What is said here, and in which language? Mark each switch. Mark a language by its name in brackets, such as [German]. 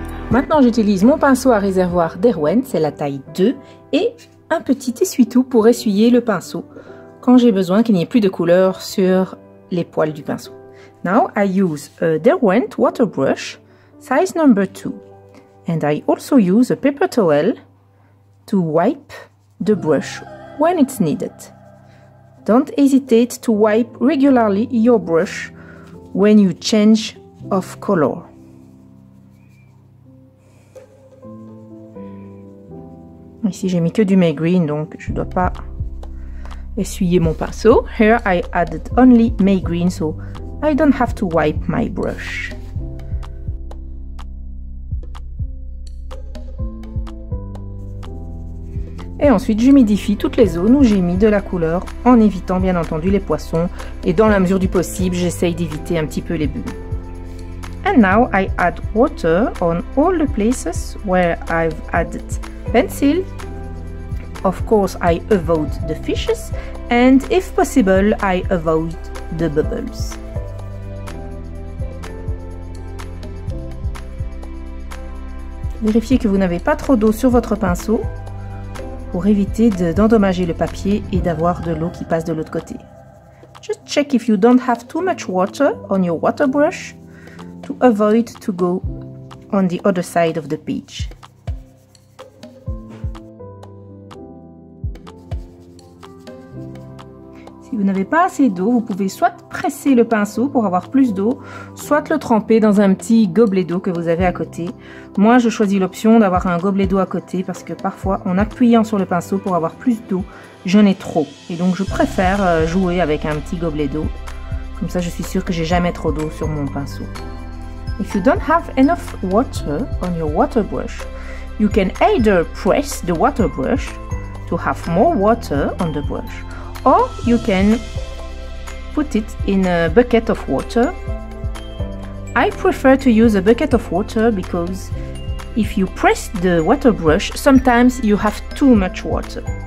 [French] Maintenant, j'utilise mon pinceau à réservoir d'Erwen, c'est la taille 2, et un petit essuie-tout pour essuyer le pinceau quand j'ai besoin qu'il n'y ait plus de couleur sur les poils du pinceau. [English] Now, I use a Derwent water brush, size number 2, and I also use a paper towel to wipe the brush when it's needed. Don't hesitate to wipe regularly your brush when you change of color. [French] Ici, j'ai mis que du May Green, donc je ne dois pas essuyer mon pinceau. [English] Here, I added only May Green, so I don't have to wipe my brush. [French] Et ensuite, j'humidifie toutes les zones où j'ai mis de la couleur, en évitant bien entendu les poissons. Et dans la mesure du possible, j'essaye d'éviter un petit peu les bulles. [English] And now, I add water on all the places where I've added pencil. Of course, I avoid the fishes, and if possible, I avoid the bubbles. [French] Vérifiez que vous n'avez pas trop d'eau sur votre pinceau pour éviter d'endommager le papier et d'avoir de l'eau qui passe de l'autre côté. [English] Just check if you don't have too much water on your water brush to avoid to go on the other side of the page. [French] Si vous n'avez pas assez d'eau, vous pouvez soit presser le pinceau pour avoir plus d'eau, soit le tremper dans un petit gobelet d'eau que vous avez à côté. Moi, je choisis l'option d'avoir un gobelet d'eau à côté parce que parfois, en appuyant sur le pinceau pour avoir plus d'eau, j'en ai trop. Et donc, je préfère jouer avec un petit gobelet d'eau. Comme ça, je suis sûre que j'ai jamais trop d'eau sur mon pinceau. [English] If you don't have enough water on your water brush, you can either press the water brush to have more water on the brush. Or you can put it in a bucket of water. I prefer to use a bucket of water because if you press the water brush, sometimes you have too much water.